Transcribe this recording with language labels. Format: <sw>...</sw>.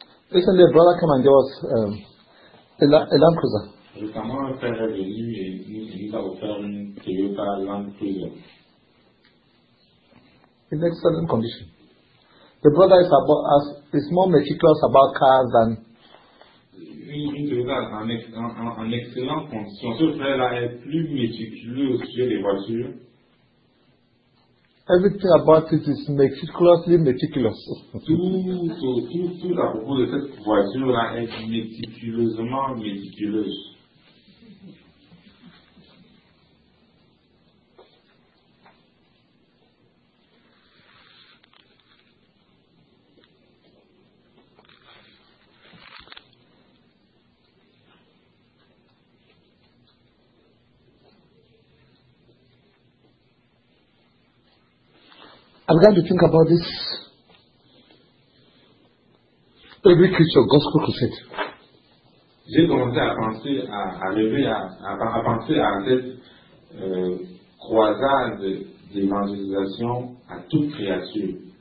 <en>Listen, the brother came and gave us a Land Cruiser.</en> <fr>Récemment, un frère est venu et nous a offert une Toyota Land Cruiser.</fr> <en>In excellent condition. The brother is more meticulous about cars than.</en> <fr>Une Toyota en excellent condition. Ce frère-là est plus méticuleux au sujet des voitures.</fr> <en>Everything about it is meticulously meticulous.</en> <fr>Tout à propos de cette voiture-là est méticuleusement méticuleuse.</fr> <en>I began to think about this every creature gospel crusade.</en> <fr>J'ai commencé à penser à cette croisade d'évangélisation à toute créature.</fr>